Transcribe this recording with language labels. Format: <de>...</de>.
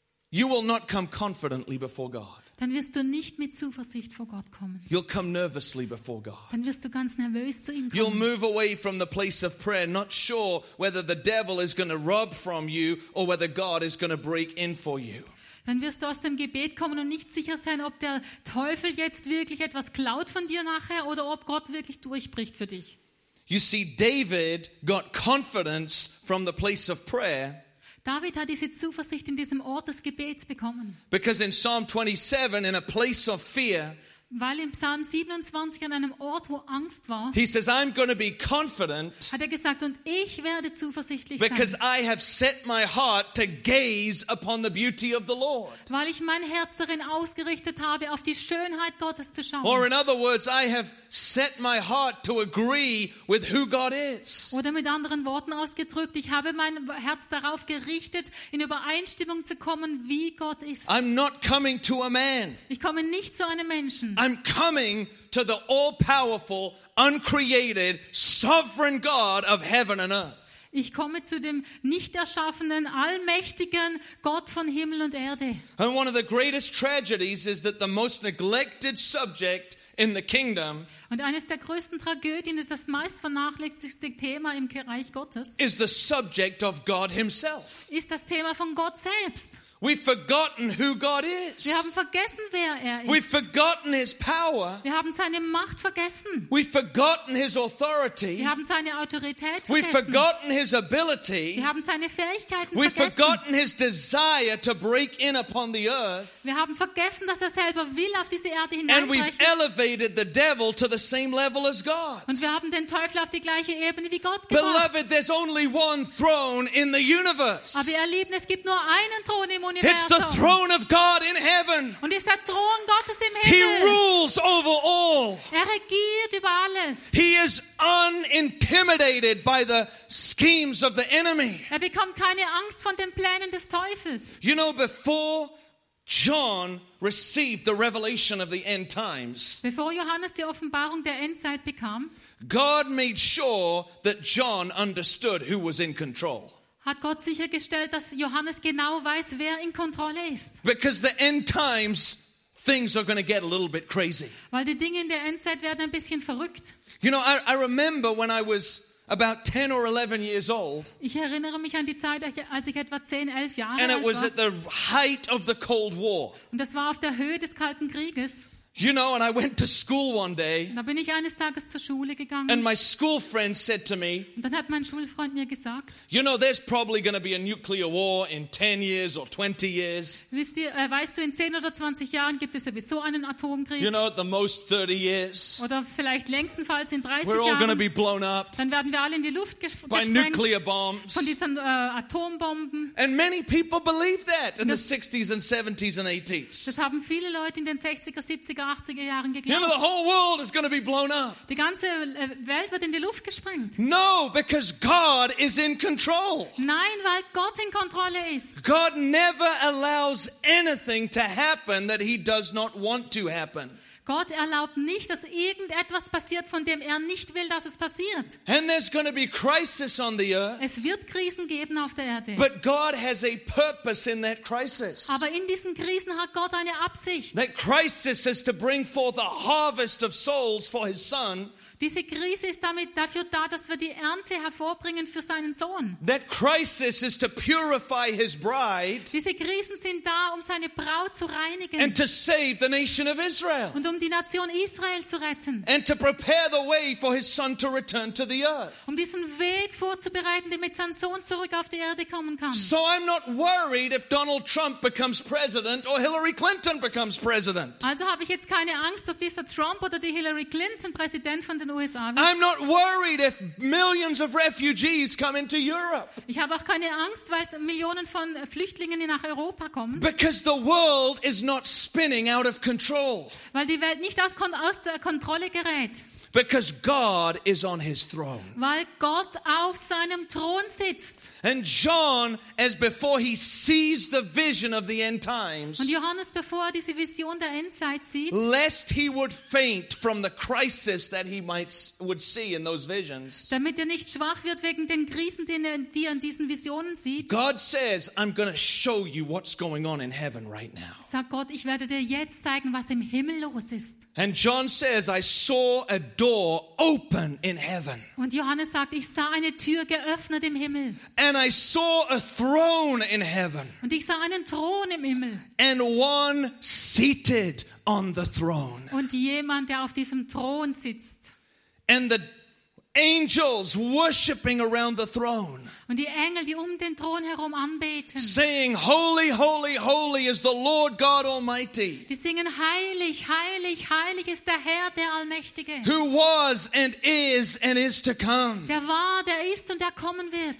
<en>you will not come confidently before God.</en> <de>Dann wirst du nicht mit Zuversicht vor Gott kommen.</de> <en>You'll come nervously before God.</en> <de>Dann wirst du ganz nervös zu ihm kommen.</de> <en>You'll move away from the place of prayer, not sure whether the devil is going to rob from you or whether God is going to break in for you.</en> <de>Dann wirst du aus dem Gebet kommen und nicht sicher sein, ob der Teufel jetzt wirklich etwas klaut von dir nachher oder ob Gott wirklich durchbricht für dich.</de> <en>You see, David got confidence from the place of prayer.</en> <de>David hat diese Zuversicht in diesem Ort des Gebets bekommen.</de> <en>Because in Psalm 27, in a place of fear,</en> <de>weil im Psalm 27 an einem Ort, wo Angst war,</de> <en>he says, I'm going to be confident,</en> <de>hat er gesagt, und ich werde zuversichtlich</de> <en>because</en> <de>sein.</de> <en>I have set my heart to gaze upon the beauty of the Lord.</en> <de>Weil ich mein Herz darin ausgerichtet habe, auf die Schönheit Gottes zu schauen.</de> <en>Or in other words, I have set my heart to agree with who God is.</en> <de>Oder mit anderen Worten ausgedrückt, ich habe mein Herz darauf gerichtet, in Übereinstimmung zu kommen, wie Gott ist.</de> <en>I'm not coming to a man.</en> <de>Ich komme nicht zu einem Menschen.</de> <en>I'm coming to the all-powerful, uncreated, sovereign God of heaven and earth.</en> <de>Ich komme zu dem nicht erschaffenen, allmächtigen Gott von Himmel und Erde.</de> <en>And one of the greatest tragedies is that the most neglected subject in the kingdom.</en> <de>Und eines der größten Tragödien ist das meist vernachlässigte Thema im Reich Gottes.</de> <en>Is the subject of God himself.</en> <de>Ist das Thema von Gott selbst.</de> <en>We've forgotten who God is.</en> <de>Wir haben vergessen, wer er ist.</de> <en>We've forgotten his power.</en> <de>Wir haben seine Macht vergessen.</de> <en>We've forgotten his authority.</en> <de>Wir haben seine Autorität vergessen.</de> <en>We've forgotten his ability.</en> <de>Wir haben seine Fähigkeiten vergessen.</de> <en>We've forgotten his desire to break in upon the earth.</en> <de>Wir haben vergessen, dass er selber will, auf diese Erde hineinbrechen.</de> <en>And we've elevated the devil to the same level as God.</en> <de>Und wir haben den Teufel auf die gleiche Ebene wie Gott gebracht.</de> <en>Beloved, there's only one throne in the universe.</en> <de>Aber ihr Lieben, es gibt nur einen Thron im Universum.</de> <en>It's the throne of God in heaven.</en> <de>Und ist der Thron Gottes im Himmel.</de> <en>He rules over all.</en> <de>Er regiert über alles.</de> <en>He is unintimidated by the schemes of the enemy.</en> <de>Er bekommt keine Angst von den Plänen des Teufels.</de> <en>You know, before John received the revelation of the end times,</en> <de>bevor Johannes die Offenbarung der Endzeit bekam,</de> <en>God made sure that John understood who was in control.</en> <de>Hat Gott sichergestellt, dass Johannes genau weiß, wer in Kontrolle ist.</de> <en>Because the end times, things are going to get a little bit crazy.</en> <de>Weil die Dinge in der Endzeit werden ein bisschen verrückt.</de> <en>You know, I remember when I was about 10 or 11 years old.</en> <de>Ich erinnere mich an die Zeit, als ich etwa 10, 11 Jahre alt war.</de> <en>And it was</en> <de>war.</de> <en>At the height of the Cold War.</en> <de>Und das war auf der Höhe des Kalten Krieges.</de> <en>You know, and I went to school one day.</en> <de>Da bin ich eines Tages zur Schule gegangen.</de> <en>And my school friend said to me.</en> <de>Und dann hat mein Schulfreund mir gesagt.</de> <en>You know, there's probably going to be a nuclear war in 10 years or 20 years.</en> <de>Wisst ihr, weißt du, in 10 oder 20 Jahren gibt es sowieso einen Atomkrieg.</de> <en>You know, at the most 30 years.</en> <de>Oder vielleicht längstenfalls in 30 Jahren.</de> <en>We're all going to be blown up.</en> <de>Dann werden wir alle in die Luft gesprengt.</de> <en>By nuclear bombs.</en> <de>Von diesen Atombomben.</de> <en>And many people believe that in the 60s and 70s and 80s.</en> <de>Das haben viele Leute in den 60er, 70er der 80er Jahren geglaubt.</de> <en>You know, the whole world is going to be blown up.</en> <de>Die ganze Welt wird in die Luft gesprengt.</de> <en>No, because God is in control.</en> <de>Nein, weil Gott in Kontrolle ist.</de> <en>God never allows anything to happen that he does not want to happen.</en> <de>Gott erlaubt nicht, dass irgendetwas passiert, von dem er nicht will, dass es passiert.</de> <en>And there's going to be crisis on the earth.</en> <de>Es wird Krisen geben auf der Erde.</de> <en>But God has a purpose in that crisis.</en> <de>Aber in diesen Krisen hat Gott eine Absicht.</de> <en>That crisis is to bring forth a harvest of souls for his son.</en> <de>Diese Krise ist damit dafür da, dass wir die Ernte hervorbringen für seinen Sohn.</de> <en>That crisis is to purify his bride.</en> <de>Diese Krisen sind da, um seine Braut zu reinigen.</de> <en>And to save the nation of Israel.</en> <de>Und um die Nation Israel zu retten.</de> <en>And to prepare the way for his son to return to the earth.</en> <de>Um diesen Weg vorzubereiten, damit sein Sohn zurück auf die Erde kommen kann.</de> <en>So I'm not worried if Donald Trump becomes president or Hillary Clinton becomes president.</en> <de>Also habe ich jetzt keine Angst, ob dieser Trump oder die Hillary Clinton Präsident von</de> <en>I'm not worried if millions of refugees come into Europe.</en> <de>Ich habe auch keine Angst, weil Millionen von Flüchtlingen nach Europa kommen.</de> <en>Because the world is not spinning out of control.</en> <de>Weil die Welt nicht aus der Kontrolle gerät.</de> <en>Because God is on his throne.</en> <de>Weil Gott auf seinem Thron sitzt.</de> <en>And John, as before he sees the vision of the end times,</en> <de>und Johannes, bevor er diese Vision der Endzeit sieht,</de> <en>lest he would faint from the crisis that he might would see in those visions.</en> <de>Damit er nicht schwach wird wegen den Krisen, die er in diesen Visionen sieht.</de> <en>God says, I'm going to show you what's going on in heaven right now.</en> <de>Sagt Gott, ich werde dir jetzt zeigen, was im Himmel los ist.</de> <en>And John says, I saw a door open in heaven.</en> <de>Und Johannes sagt, ich sah eine Tür geöffnet im Himmel.</de> <en>And I saw a throne in heaven.</en> <de>Und ich sah einen Thron im Himmel.</de> <en>And one seated on the throne.</en> <de>Und jemand, der auf diesem Thron sitzt.</de> <en>And the angels worshiping around the throne.</en> <de>Und die Engel, die den Thron herum anbeten.</de> <en>Saying, holy, holy, holy is the Lord God Almighty.</en> <de>Die singen, heilig, heilig, heilig ist der Herr, der Allmächtige.</de> <en>Who was and is to come.</en> <de>Der war, der ist und der kommen wird.</de>